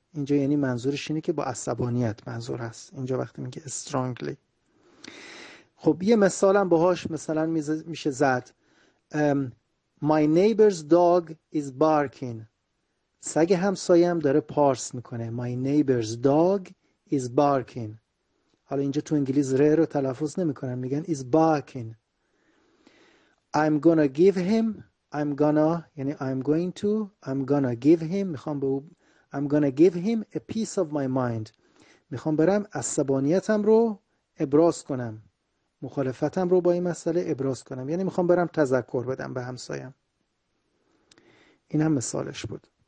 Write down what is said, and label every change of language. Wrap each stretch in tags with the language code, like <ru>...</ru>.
<fa>اینجا یعنی منظورش اینه که با عصبانیت منظور است. اینجا وقتی میگه strongly, خب یه مثال هم باهاش مثلا میشه زد.</fa> <en>My neighbor's dog is barking.</en> <fa>سگ همسایه‌ام داره پارس میکنه.</fa> <en>My neighbor's dog is barking.</en> <fa>حالا اینجا تو انگلیس ر رو تلفظ نمیکنن, میگن</fa> <en>is barking. I'm gonna give him, I'm gonna,</en> <fa>یعنی</fa> <en>I'm going to, I'm gonna give him,</en> <fa>میخوام به او,</fa> <en>I'm gonna give him a piece of my mind.</en> <fa>میخوام برم عصبانیتم رو ابراز کنم. مخالفتم رو با این مسئله ابراز کنم. یعنی میخوام برم تذکر بدم به همسایم. این هم مثالش بود.</fa>